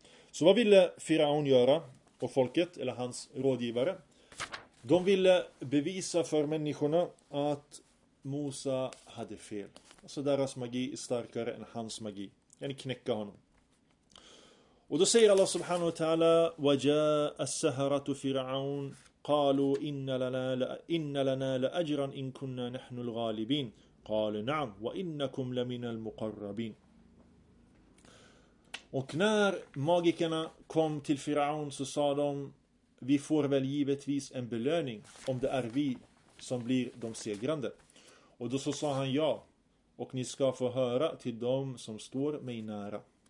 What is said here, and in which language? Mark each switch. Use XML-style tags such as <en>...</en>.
<sv>Så vad ville Firaun göra? Och folket, eller hans rådgivare. De ville bevisa för människorna att Musa hade fel. Alltså deras magi är starkare än hans magi. Än knäcka honom. Och då säger Allah subhanahu wa ta'ala</sv> <ar>وَجَاءَ السَّهَرَةُ فِرْعَوْنَ قَالُوا إِنَّ لَنَا لَأَجْرًا إِن كُنَّا نَحْنُ الْغَالِبِينَ قَالُ نَعْمْ وَإِنَّكُمْ لَمِنَ الْمُقَرَّبِينَ.</ar> <sv>Och när magikerna kom till Firaun så sa de, vi får väl givetvis en belöning om det är vi som blir de segrande. Och då så sa han ja, och ni ska få höra till dem som står mig nära.</sv>